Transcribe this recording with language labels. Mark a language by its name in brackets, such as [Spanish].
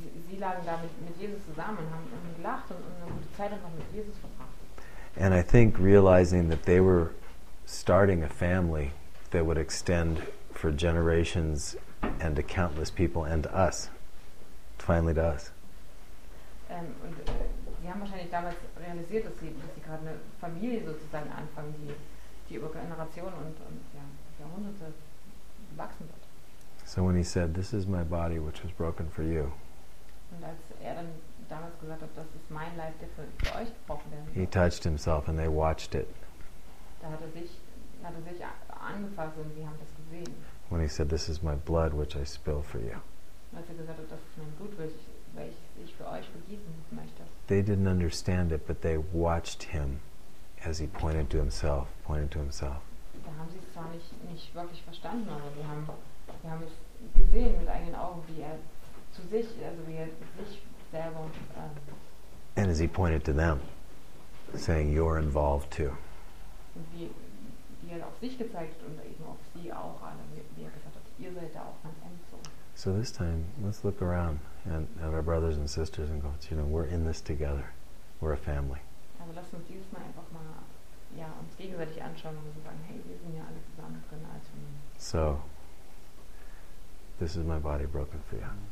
[German] Sie lagen da mit Jesus zusammen und haben gelacht und eine gute Zeit einfach mit Jesus verbracht. [English] And I think realizing that they were starting a family that would extend for generations and to countless people and to us, finally to us. [German] Und sie haben wahrscheinlich damals realisiert, dass sie gerade eine Familie sozusagen anfangen, die über Generationen und Jahrhunderte wachsen wird. [English] So when he said, "This is my body, which was broken for you," [German] und als er dann damals gesagt hat, das ist mein Leib, der für euch gebrochen werden soll, [English] he touched himself and they watched it. [German] Da hat er sich angefasst und sie haben das gesehen. [English] When he said, "This is my blood, which I spill for you," [German] als er gesagt hat, das ist mein Blut, welches ich für euch vergießen möchte. [English] They didn't understand it, but they watched him as he pointed to himself. [German] Da haben sie es zwar nicht wirklich verstanden, aber wir haben es gesehen mit eigenen Augen, wie er sich selber [English] and as he pointed to them, saying, "You're involved too." [German] Wie er auf sich gezeigt und eben auf sie auch, wie er gesagt hat, ihr seid da auch ganz eng so. [English] So this time, let's look around and at our brothers and sisters and go, you know, we're in this together. We're a family. [German] Aber lass uns dieses Mal einfach mal uns gegenseitig anschauen und sagen, hey, wir sind ja alle zusammen drin als Familie. [English] So, this is my body broken for you.